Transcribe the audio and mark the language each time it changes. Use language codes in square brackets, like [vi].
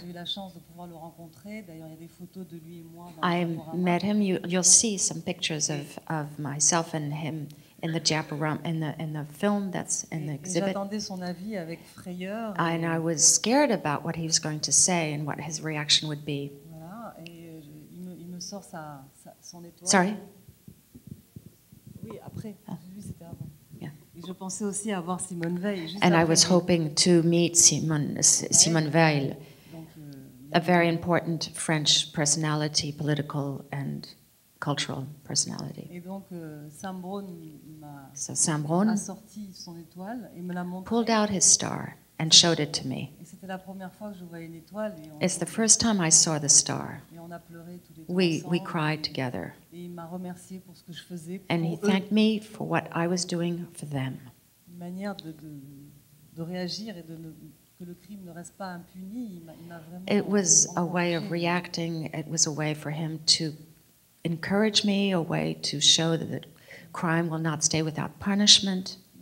[fr] J'ai eu la chance de pouvoir le rencontrer. D'ailleurs, il y a des photos de lui et moi. [en] I met him. You'll see some pictures of myself and him. In the Japarama, in the film that's in the exhibit. [fr] J'attendais son avis avec frayeur. [en] And I was scared about what he was going to say and what his reaction would be. [fr] Voilà, et il me sort son étoile. [en] Sorry. [fr] Oui, après. Ah. Lui, c'était avant. [en] Yeah. [fr] Et je pensais aussi avoir Simone Veil. Juste [en] and [fr] après [en] I was hoping to meet Simone Veil, donc, a very important French personality, political and cultural personality. [fr] Et donc, Sam Braun a sorti son étoile et me l'a montré. [en] Pulled out his star and showed it to me. [fr] Et c'était la première fois que je voyais une étoile. Et [en] it's the first time I saw the star. [fr] Et on a pleuré tous les [en] we cried together. [fr] Et il m'a remercié pour ce que je faisais pour [en] and he [fr] eux. [en] Thanked me for what I was doing for them. [fr] Une manière de réagir et de ne, que le crime ne reste pas impuni. Il m'a vraiment [en] it was a way of reacting. It was a way for him to encourage me, a way to show that the crime will not stay without punishment.